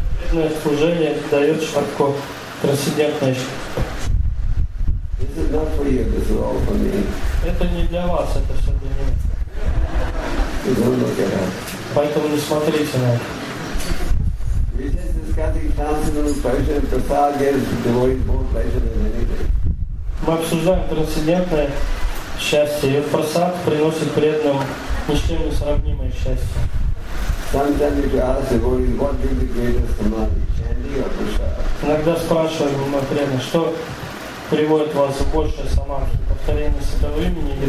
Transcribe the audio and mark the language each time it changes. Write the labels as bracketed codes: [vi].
[ru] преданное служение дает что-то трансцендентное. [en] This is not for you, this is all for me. [ru] Это не для вас, это все для меня. [en] You don't look at that. [ru] Поэтому не смотрите на это. [en] We're just discussing transcendental pleasure and prasad gives the devotee more pleasure than anything. [ru] Мы обсуждаем трансцендентное счастье, и прасад приносит преданному ни с чем не сравнимое счастье. [en] Sometimes if you ask devotees, what gives the greatest samadhi, chanting or prasad? [ru] Иногда спрашиваем мы преданных, что приводит вас в большее самадхи, повторение святого имени или